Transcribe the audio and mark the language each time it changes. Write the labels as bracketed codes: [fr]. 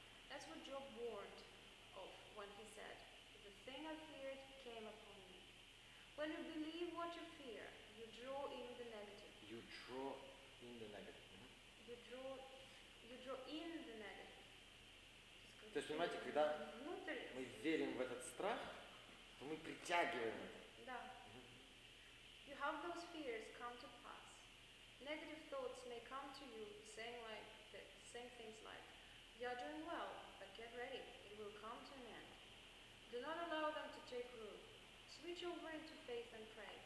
[en] That's what Job warned of when he said, the thing I feared came upon me. When you believe what you fear, you draw in the negative. You draw in the negative. Mm-hmm. You draw in the negative. [ru] То есть, понимаете, когда мы верим в этот страх, то мы притягиваем это. Да. [en] You have those fears come to pass. Negative thoughts may come to you saying like the same things like, you are doing well, but get ready, it will come to an end. Do not allow them to take root. Switch over into faith and pray.